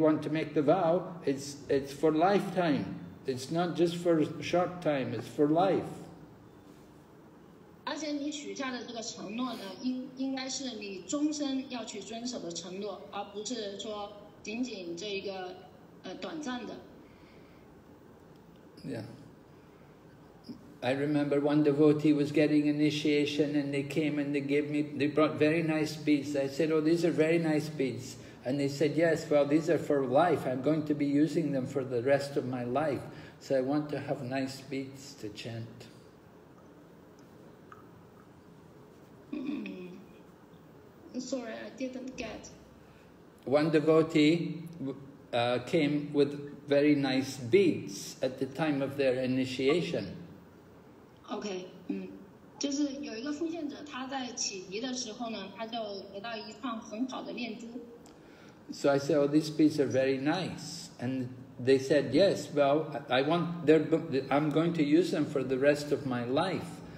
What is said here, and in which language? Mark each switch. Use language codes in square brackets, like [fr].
[en] want to make the vow? It's for lifetime. It's not just for a short time. It's for life. [zh] 而且你许下的这个承诺呢，应该是你终身要去遵守的承诺，而不是说仅仅这一个短暂的。 [en] Yeah, I remember one devotee was getting initiation, and they came and they brought very nice beads. I said, "Oh, these are very nice beads," and they said, "Yes, well, these are for life. I'm going to be using them for the rest of my life, so I want to have nice beads to chant." 嗯 ，Sorry, I didn't get. One devotee came with very nice beads at the time of their initiation. Okay, [zh] 就是有一个奉献者，他在启迪的时候呢，他就得到一串很好的念珠。 [en] So I said, "Oh, these beads are very nice," and they said, "Yes, well, I'm going to use them for the rest of my life.